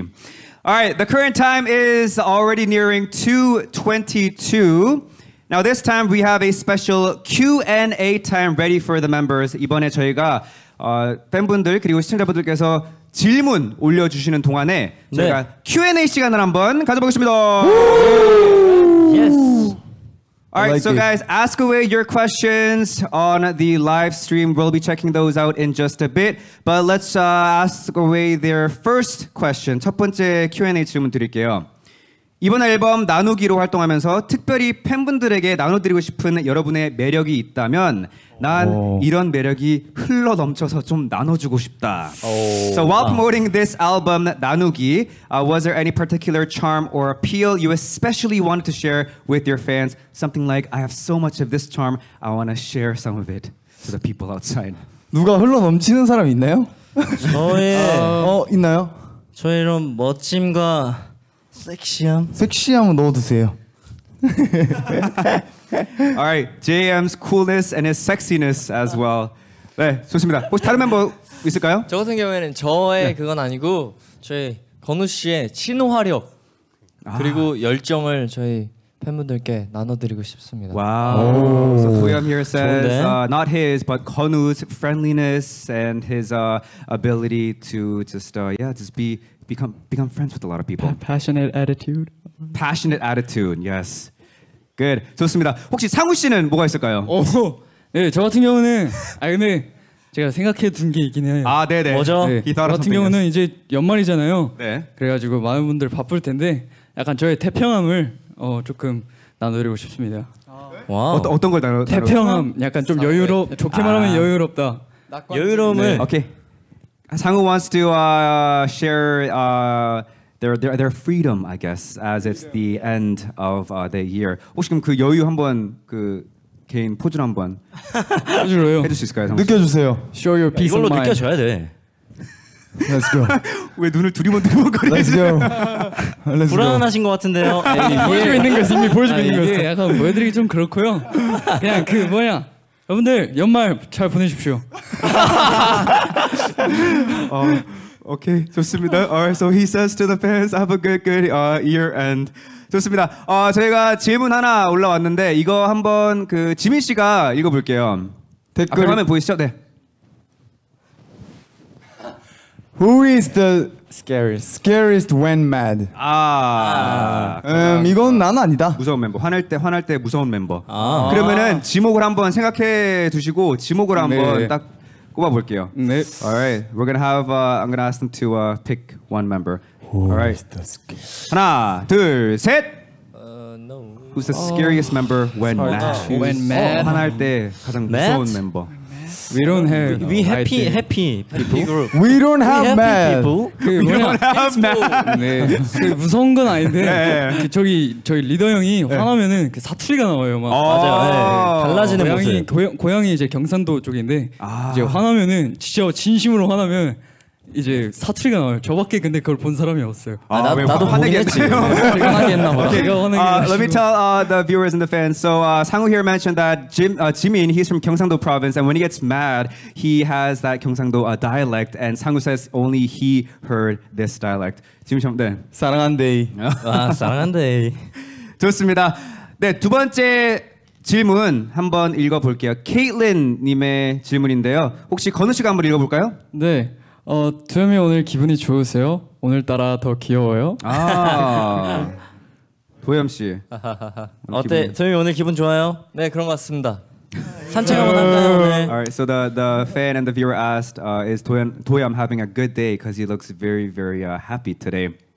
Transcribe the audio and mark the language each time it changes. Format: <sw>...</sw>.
<en>All right, the current time is already nearing 2:22. Now this time we have a special Q&A time ready for the members.</en> <ko>이번에 저희가 팬분들 그리고 시청자분들께서 질문 올려주시는 동안에 저희가 네. Q&A 시간을 한번 가져보겠습니다.</ko> <en>Yes. All right, like so it. Guys, ask away your questions on the live stream. We'll be checking those out in just a bit. But let's ask away their first question.</en> <ko>첫 번째 Q&A 질문 드릴게요. 이번 앨범 나누기로 활동하면서 특별히 팬분들에게 나눠드리고 싶은 여러분의 매력이 있다면 난 오. 이런 매력이 흘러넘쳐서 좀 나눠주고 싶다. 오.</ko> <en>So while promoting this album, 나누기, was there any particular charm or appeal you especially wanted to share with your fans? Something like, I have so much of this charm, I want to share some of it to the people outside.</en> <ko>누가 흘러넘치는 사람 있나요? 저의... 있나요? 저의 이런 멋짐과... 섹시함? 섹시함은 넣어두세요.</ko> <en>Alright, JM's coolness and his sexiness as well.</en> <ko>네, 좋습니다. 혹시 다른 멤버 있을까요? 저 같은 경우에는 저의 네. 그건 아니고 저희 건우 씨의 친화력 그리고 아. 열정을 저희 팬분들께 나눠드리고 싶습니다.</ko> <en>와우. Wow. So Fuyam here says not his but Konu's friendliness and his ability to just just become friends with a lot of people. Passionate attitude. Passionate attitude. Yes. Good. 좋습니다.</en> <ko>혹시 상우 씨는 뭐가 있을까요? 오, 네, 저 같은 경우는 아 근데 제가 생각해 둔 게 있긴 해요. 아, 네네. 뭐죠? 네. 저 같은 경우는 이제 연말이잖아요. 네. 그래가지고 많은 분들 바쁠 텐데 약간 저의 태평함을 조금 나누고 싶습니다. 와. 어떤 걸 나누? 태평함. 약간 좀 여유로. 좋게 말하면 여유롭다. 여유로움을. 네. 오케이.</ko> <en>상우 wants to share their freedom, I guess, as it's the end of the year.</en> <ko>혹시 그럼 그 여유 한번 그 개인 포즈 한번 해줄래요? 해줄 수 있을까요? 느껴주세요.</ko> <en>Show your peace of mind.</en> <ko>이걸로 느껴줘야 돼.</ko> <en>Let's go.</en> <ko>왜 눈을 두리번거리세요?</ko> <en>Let's go.</en> <ko>불안하신 것 같은데요. 보여주고 있는 거 이미 보여주고 있는 거. 약간 보여드리기 좀 그렇고요. 그냥 그 뭐냐. 여러분들 연말 잘 보내십시오.</ko> <en>오케이 좋습니다. Alright, so he says to the fans, have a good year end. 좋습니다.</en> <ko>저희가 질문 하나 올라왔는데 이거 한번 그 지민 씨가 읽어볼게요. 댓글 화면 보이시죠? 네.</ko> <en>Who is the scariest when mad?</en> <ko>아, 이건 나는 아니다. 무서운 멤버. 화날 때 무서운 멤버. 아. 그러면은 지목을 한번 생각해 두시고 지목을 한번 네. 딱 꼽아 볼게요. 네.</ko> <en>Alright, we're gonna have. I'm gonna ask them to pick one member. Alright.</en> <ko>하나, 둘, 셋.</ko> <en>No. Who's the scariest member when mad? When mad.</en> <ko>화날 때 가장</ko> <en>mad?</en> <ko>무서운 멤버.</ko> <en>We don't have we happy idea. Happy people. Group. We don't have we happy mad. People. 그 we don't have mad.</en> <ko>네. 그 무서운 건 아닌데 네. 그 저희 리더 형이 네. 화나면은 그 사투리가 나와요. 막 맞아요. 네. 달라지는 모습. 고향이 이제 경상도 쪽인데 아. 이제 화나면은 진짜 진심으로 화나면 이제 사투리가 나와요. 저밖에 근데 그걸 본 사람이 없어요. 아, 나, 왜, 나도 화내겠지. 제가 화내겠나 봐.</ko> <en>Okay. Let me tell the viewers and the fans. So Sang-woo here mentioned that Jimin, he's from Gyeongsangdo province, and when he gets mad, he has that Gyeongsangdo dialect, and Sang-woo says only he heard this dialect.</en> <ko>지민 씨, 네. 사랑한대. 아, 사랑한대. 좋습니다. 네, 두 번째 질문 한번 읽어볼게요. Caitlin 님의 질문인데요. 혹시 건우 씨가 한번 읽어볼까요? 네. 두 형이 오늘 기분이 좋으세요? 오늘따라 더 귀여워요? 아 도현 씨 어때? 기분이... 두 형이 오늘 기분 좋아요? 네 그런 것 같습니다. 산책 한번 할까요? 네.</ko> <en>Alright, so the fan and the viewer asked is 도현 having a good day because he looks very very happy today.</en>